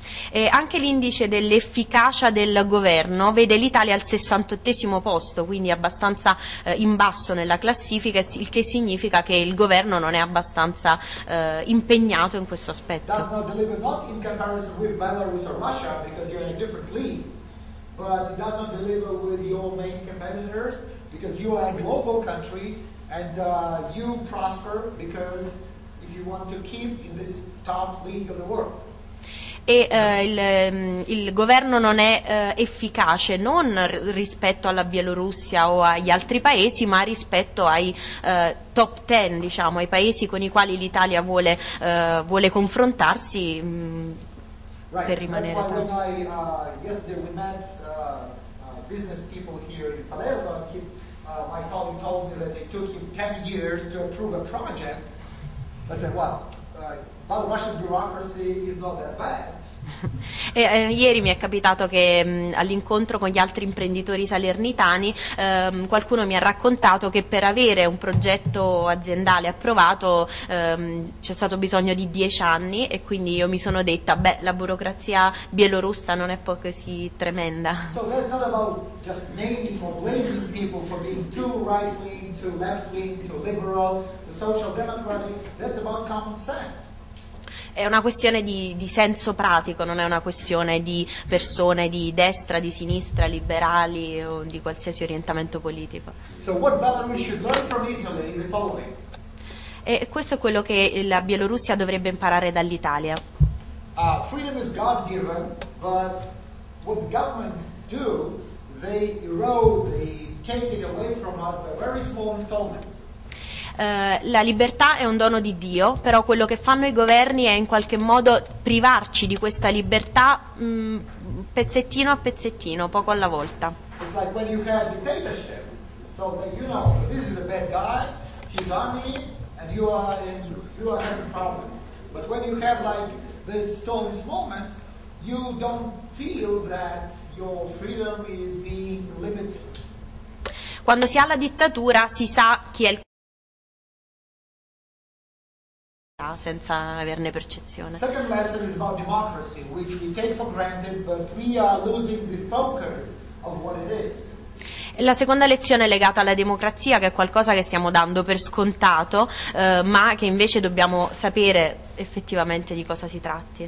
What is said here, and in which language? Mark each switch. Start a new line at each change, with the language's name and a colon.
Italian: E anche l'indice dell'efficacia del governo vede l'Italia al 68esimo posto, quindi abbastanza in basso nella classifica, il che significa che il governo non è abbastanza impegnato in questo aspetto.
English: Does not deliver, not in comparison with Belarus or Russia, because you're in a different league, but it does not deliver with your main competitors, because you are a global country, and you prosper because if you want to keep in this top league of the world.
Italian: E il governo non è efficace non rispetto alla Bielorussia o agli altri paesi, ma rispetto ai top 10, diciamo, ai paesi con i quali l'Italia vuole confrontarsi
English: right.
Italian: Per rimanere.
English: That's why when I yesterday we met business people here in Salerno, my colleague told me that it took him 10 years to approve a project. I said, well, but Russian bureaucracy is not that bad.
Italian: E, ieri mi è capitato che all'incontro con gli altri imprenditori salernitani qualcuno mi ha raccontato che per avere un progetto aziendale approvato c'è stato bisogno di 10 anni e quindi io mi sono detta la burocrazia bielorussa non è poi così tremenda.
English: So that's not about just naming or blaming people for being too right wing, too left wing, too liberal, the social democratic, that's about common sense.
Italian: È una questione di senso pratico, non è una questione di persone di destra, di sinistra, liberali o di qualsiasi orientamento politico.
English: So what Belarus should learn from Italy is the following.
Italian: E questo è quello che la Bielorussia dovrebbe imparare dall'Italia.
English: Freedom is God-given, but what the governments do, they erode, they take it away from us by very small installments.
Italian: La libertà è un dono di Dio, però quello che fanno i governi è in qualche modo privarci di questa libertà pezzettino a pezzettino, poco alla volta.
English: It's like when you have a dictatorship, so that you know this is a bad guy, his army, and you are having problems. But when you have like this stolen moments, you don't feel that your freedom is being limited.
Italian: Quando si ha la dittatura si sa chi è il senza averne percezione.
English: Second lesson is about democracy, which we take for granted, but we are losing the focus of what it is.
Italian: La seconda lezione è legata alla democrazia, che è qualcosa che stiamo dando per scontato, ma che invece dobbiamo sapere effettivamente di cosa si tratti.